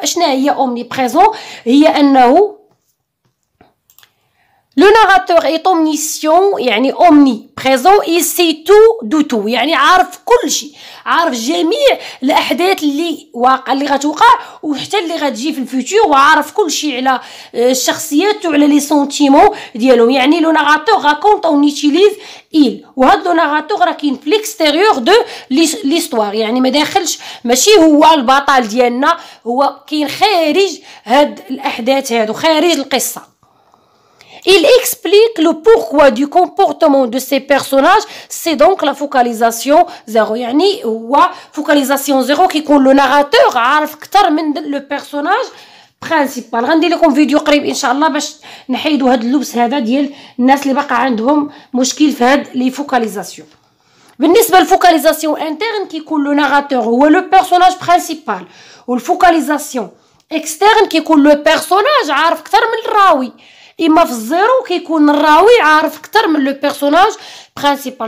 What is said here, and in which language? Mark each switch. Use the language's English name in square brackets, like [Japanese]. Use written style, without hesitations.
[Arabic] اشنا هي اومني بريزون؟ هي انه لو ناراتور اي اومنيسيون، يعني اومني بريزون، [French] اي سي تو دو تو، [Arabic] يعني عارف كل شيء، عارف جميع الاحداث اللي واقع اللي غتوقع وحتى اللي غتجي في الفيتور، وعارف كل شيء على الشخصيات وعلى لي سونتيمون ديالهم. يعني [French] لو ناراتور راكونت اون يوتيليز ايل، [Arabic] وهاد لو ناراتور راه كاين في ليكستيريور دو ليستوار، يعني ما داخلش، ماشي هو البطل ديالنا، هو كاين خارج هاد الاحداث هادو، خارج القصه. [French] Il explique le pourquoi du comportement de ces personnages, c'est donc la focalisation zéro. [Arabic] يعني هو [French] focalisation zéro qui compte le narrateur [Arabic] عارف كتر من le personnage principal. غندي لكم فيديو قريب ان شاء الله باش نحيدوا هاد اللبس هذا ديال الناس اللي باقا عندهم مشكل في هاد لي focalisation. بالنسبه للفوكاليزاسيون انترن كيكون لو ناراتور هو لو بيرسوناج برينسيبال، والفوكاليزاسيون اكسترن كيكون لو بيرسوناج عارف كتر من الراوي، اما في الزيرو كيكون الراوي عارف اكثر من لو بيرسوناج برينسيبال.